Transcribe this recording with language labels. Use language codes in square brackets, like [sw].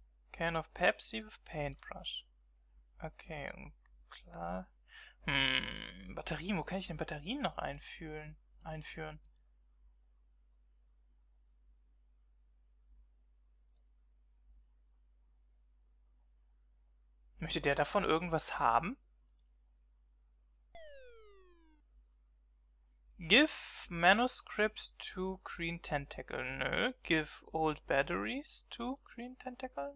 [en] Can of Pepsi with paintbrush. [de] Okay, klar. Batterien, wo kann ich denn Batterien noch einführen? Möchte der davon irgendwas haben? [en] Give manuscript to Green Tentacle. Nö. Give old batteries to Green Tentacle.